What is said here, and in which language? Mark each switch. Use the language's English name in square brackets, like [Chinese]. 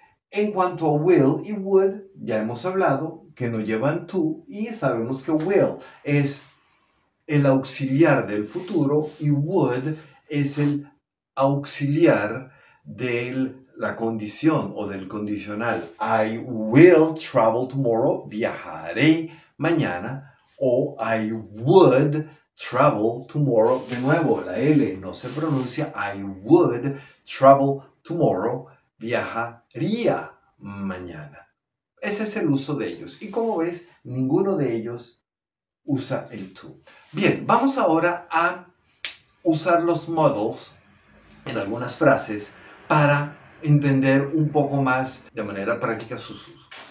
[Spanish] En cuanto a will y would, ya hemos hablado que no llevan to. Y sabemos que will es el auxiliar del futuro y would es el auxiliar de la condición o del condicional. [English] I will travel tomorrow, [Spanish] viajaré mañana, o [English] I would travel tomorrow. [Spanish] De nuevo, la L no se pronuncia. [English] I would travel tomorrow, [Spanish] viajaría mañana. Ese es el uso de ellos. Y como ves, ninguno de ellos usa el to. Bien, vamos ahora a usar los modals en algunas frases para entender un poco más de manera práctica sus usos.